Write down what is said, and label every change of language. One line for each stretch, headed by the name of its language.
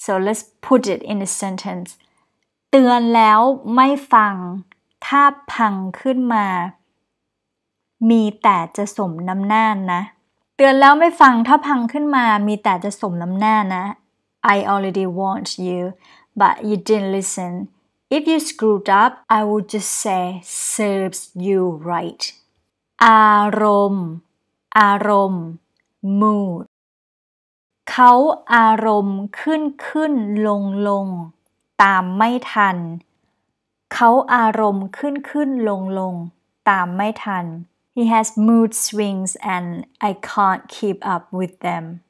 English: So let's put it in a sentence.
Thai: เตือนแล้วไม่ฟังถ้าพังขึ้นมามีแต่จะสมน้ำหน้านะเตือนแล้วไม่ฟังถ้าพังขึ้นมามีแต่จะสมน้ำหน้านะ
English: I already warned you, but you didn't listen. If you screwed up, I would just say serves you right.
Thai: อารมณ์ moodเขาอารมณ์ขึ้นลงตามไม่ทันเขาอารมณ์ขึ้นลงตามไม่ทัน
English: He has mood swings and I can't keep up with them